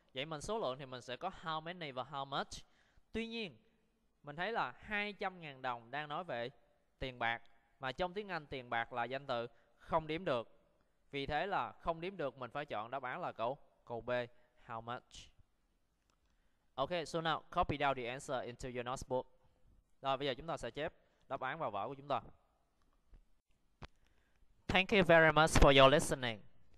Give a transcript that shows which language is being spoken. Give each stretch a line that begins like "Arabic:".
Vietnamese: Vậy mình số lượng thì mình sẽ có how many và how much. Tuy nhiên mình thấy là 200.000 đồng đang nói về tiền bạc, mà trong tiếng Anh tiền bạc là danh từ không đếm được. Vì thế là không đếm được, mình phải chọn đáp án là câu B, how much.
English: Ok, so now copy down the answer into your notebook.
Vietnamese: Rồi bây giờ chúng ta sẽ chép đáp án vào vở của chúng ta.
English: Thank you very much for your listening.